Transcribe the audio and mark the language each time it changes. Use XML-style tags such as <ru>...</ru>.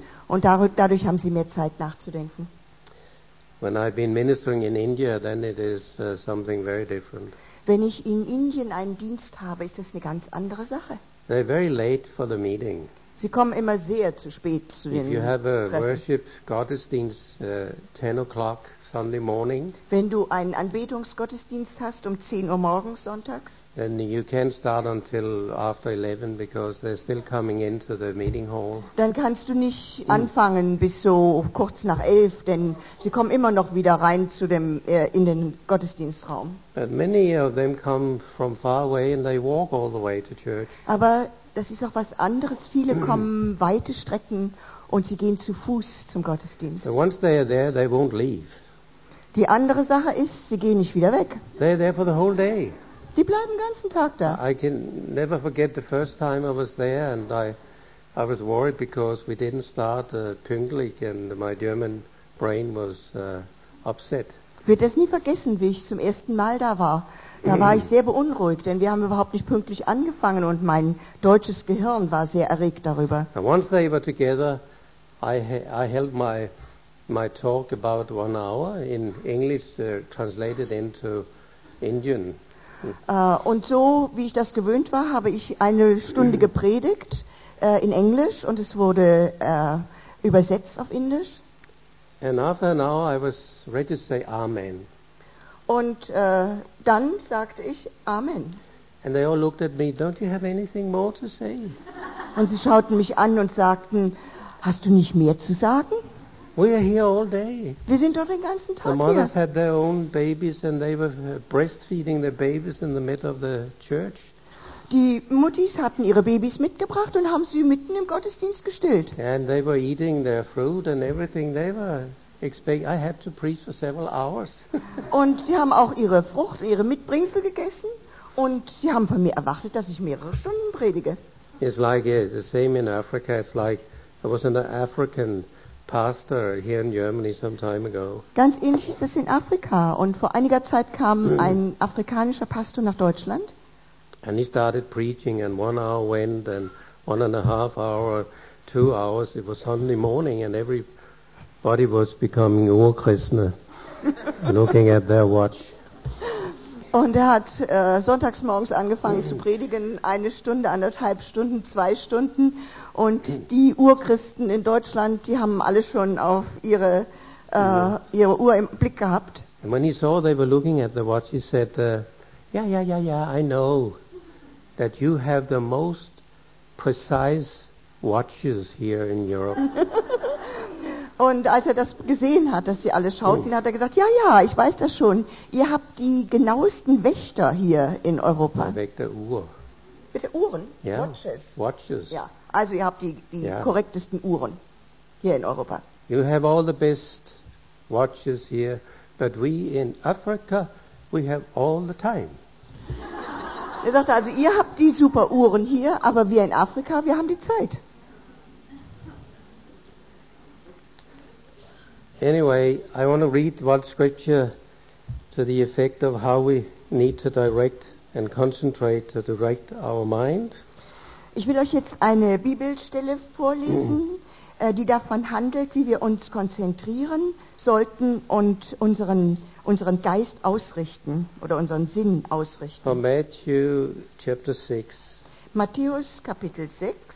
<de>Und dadurch haben sie mehr Zeit nachzudenken.</de> <en>When I've been ministering in India, then it is something very different.</en> <de>Wenn ich in Indien einen Dienst habe, ist das eine ganz andere Sache.</de> <en>They're very late for the meeting.</en> <de>Sie kommen immer sehr zu spät zu den Treffen.</de> <en>If you have a worship Gottesdienst 10 o'clock Sunday morning,</en> <de>wenn du einen Anbetungsgottesdienst hast um 10 Uhr morgens sonntags,</de> <en>then you can't start until after 11 because they're still coming into the meeting hall.</en> <de>Dann kannst du nicht anfangen bis so kurz nach 11, denn sie kommen immer noch wieder rein zu dem in den Gottesdienstraum.</de> <en>But many of them come from far away and they walk all the way to church.</en> <de>Aber das ist auch was anderes. Viele kommen weite Strecken und sie gehen zu Fuß zum Gottesdienst.</de> <en>So once they are there, they won't leave.</en> <de>Die andere Sache ist, sie gehen nicht wieder weg.</de> <en>They are there for the whole day.</en> <de>Die bleiben den ganzen Tag da.</de> <en>I can never forget the first time I was there and I was worried because we didn't start pünktlich and my German brain was upset.</en> <de>Ich werde das nie vergessen, wie ich zum ersten Mal da war. Da war ich sehr beunruhigt, denn wir haben überhaupt nicht pünktlich angefangen und mein deutsches Gehirn war sehr erregt darüber.</de> <en>And once they were together, I held my talk about 1 hour in English translated into Indian.</en> <de>Und so, wie ich das gewöhnt war, habe ich eine Stunde gepredigt in Englisch und es wurde übersetzt auf Indisch.</de> <en>And after an hour, I was ready to say Amen.</en> <de>Und dann sagte ich Amen.</de> <en>And they all looked at me, don't you have anything more to say?</en> <de>Und sie schauten mich an und sagten, hast du nicht mehr zu sagen?</de> <en>We are here all day.</en> <de>Wir sind dort den ganzen Tag hier.</de> <en>The mothers had their own babies and they were breastfeeding their babies in the middle of the church.</en> <de>Die Muttis hatten ihre Babys mitgebracht und haben sie mitten im Gottesdienst gestillt.</de> <en>And they were eating their fruit and everything they were expecting. I had to preach for several hours.</en> <de>Und sie haben auch ihre Frucht, ihre Mitbringsel gegessen und sie haben von mir erwartet, dass ich mehrere Stunden predige.</de> <en>It's like the same in Africa. It's like there was an African pastor here in Germany some time ago.</en> <de>Ganz ähnlich ist es in Afrika und vor einiger Zeit kam ein afrikanischer Pastor nach Deutschland.</de> <en>And he started preaching and 1 hour went and 1.5 hour 2 hours, it was Sunday morning, and everybody was becoming Urchristen, looking at their watch.</en> <de>Und er hat sonntags morgens angefangen zu predigen, eine Stunde, anderthalb Stunden, zwei Stunden. Und die Urchristen in Deutschland, die haben alle schon auf ihre, ihre Uhr im Blick gehabt.</de> <en>And when he saw they were looking at the watch, he said, yeah, I know that you have the most precise watches here in Europe.</en> <de>Und als er das gesehen hat, dass sie alle schauten, hat er gesagt, ja, ich weiß das schon. Ihr habt die genauesten Wächter hier in Europa. Wegen der Uhr. Mit den Uhren?</de> <en>Yeah. Watches.</en> <de>Ja, also ihr habt die korrektesten Uhren hier in Europa.</de> <en>You have all the best watches here, but we in Africa, we have all the time.</en> <de>Er sagte, also ihr habt die super Uhren hier, aber wir in Afrika, wir haben die Zeit.</de> <en>Anyway, I want to read one scripture to the effect of how we need to direct and concentrate to direct our mind.</en> <de>Ich will euch jetzt eine Bibelstelle vorlesen, die davon handelt, wie wir uns konzentrieren sollten und unseren Geist ausrichten oder unseren Sinn ausrichten.</de> <en>From Matthew chapter 6.</en> <de>Matthäus Kapitel 6.</de>